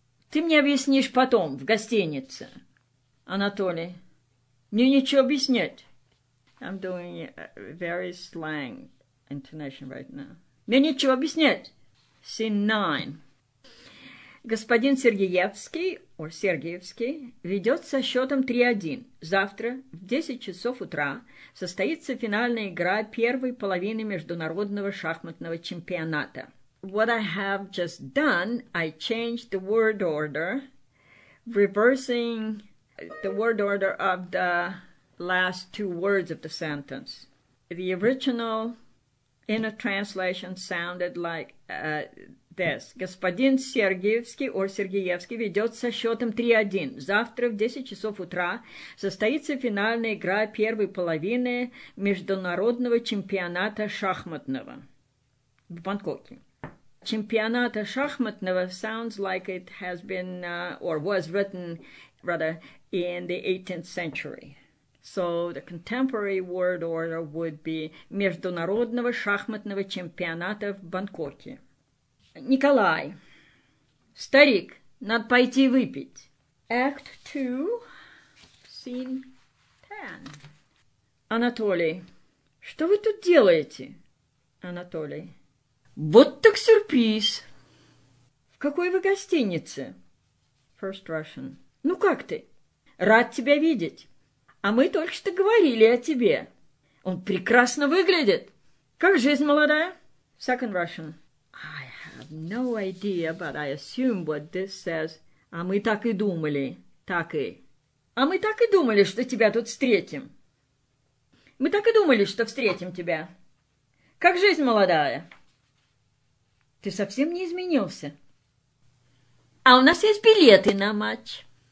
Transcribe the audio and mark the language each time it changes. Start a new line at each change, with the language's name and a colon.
Russian: Ты мне объяснишь потом, в гостинице. Анатолий. Мне ничего объяснять.
English: I'm doing a very slang intonation right now.
Russian: Мне нечего объяснять.
English: Scene 9.
Russian: Господин Сергеевский,
English: or
Russian: Сергеевский, ведет со счетом 3-1. Завтра в 10 часов утра состоится финальная игра первой половины международного шахматного чемпионата.
English: What I have just done, I changed the word order, reversing the word order of the last two words of the sentence. The original in a translation sounded like this.
Russian: Господин Сергеевский
English: or
Russian: Сергеевский ведет со счетом 3-1. Завтра в 10 часов утра состоится финальная игра первой половины международного чемпионата шахматного в Бангкоке. Чемпионата шахматного
English: sounds like it has been or was written rather in the 18th century. So the contemporary word order would be
Russian: Международного шахматного чемпионата в Бангкоке.
English: Николай.
Russian: Старик, надо пойти выпить.
English: Act 2, Scene 10.
Russian: Анатолий, что вы тут делаете? Анатолий. Вот так сюрприз. В какой вы гостинице?
English: First Russian.
Russian: Ну как ты? Рад тебя видеть. А мы только что говорили о тебе. Он прекрасно выглядит. Как жизнь молодая?
English: Second Russian. I have no idea, but I assume what this says.
Russian: А мы так и думали. Так и. А мы так и думали, что тебя тут встретим. Мы так и думали, что встретим тебя. Как жизнь молодая? Ты совсем не изменился. А у нас есть билеты на матч.